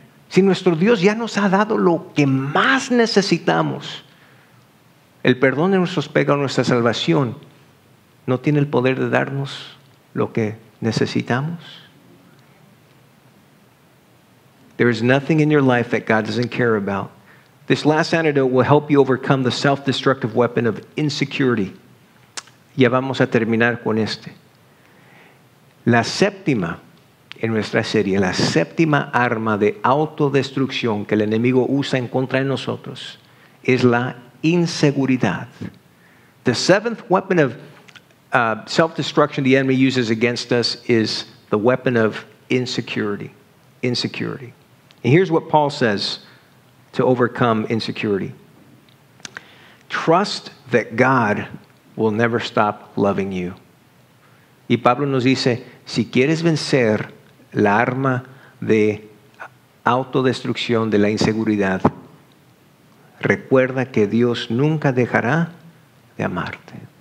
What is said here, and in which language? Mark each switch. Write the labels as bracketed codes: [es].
[es] Si nuestro Dios ya nos ha dado lo que más necesitamos, el perdón de nuestros pecados, nuestra salvación, ¿no tiene el poder de darnos lo que necesitamos? [en] There is nothing in your life that God doesn't care about. This last antidote will help you overcome the self-destructive weapon of insecurity. [es] Ya vamos a terminar con este. La séptima en nuestra serie, la séptima arma de autodestrucción que el enemigo usa en contra de nosotros es la inseguridad. [en] The seventh weapon of self-destruction the enemy uses against us is the weapon of insecurity. Insecurity. And here's what Paul says to overcome insecurity. Trust that God will never stop loving you. [es] Y Pablo nos dice, si quieres vencer la arma de autodestrucción de la inseguridad, recuerda que Dios nunca dejará de amarte.